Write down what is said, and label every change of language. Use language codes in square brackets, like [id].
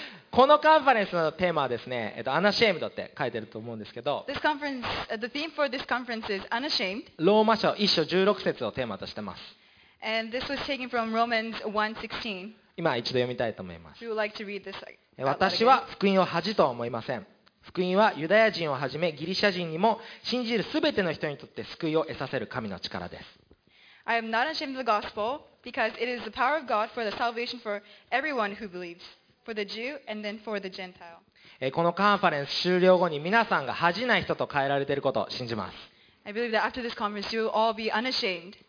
[ja] このカンファレンスのテーマはですね、アナシェームドって書いてると思うんですけど、 [en] This conference, the theme for this conference is unashamed. [ja] ローマ書1章16節をテーマとしてます。 [en] And this was taken from Romans 1:16. [ja] 今一度読みたいと思います。 [en] We would like to read this. [ja] 私は福音を恥とは思いません。福音はユダヤ人をはじめギリシャ人にも信じるすべての人にとって救いを得させる神の力です。 [en] I am not ashamed of the gospel because it is the power of God for the salvation for everyone who believes. For the Jew and then for the Gentile. [ja] このカンファレンス終了後に皆さんが恥じない人と変えられていることを信じます。 [en] I believe that after this conference you will all be unashamed.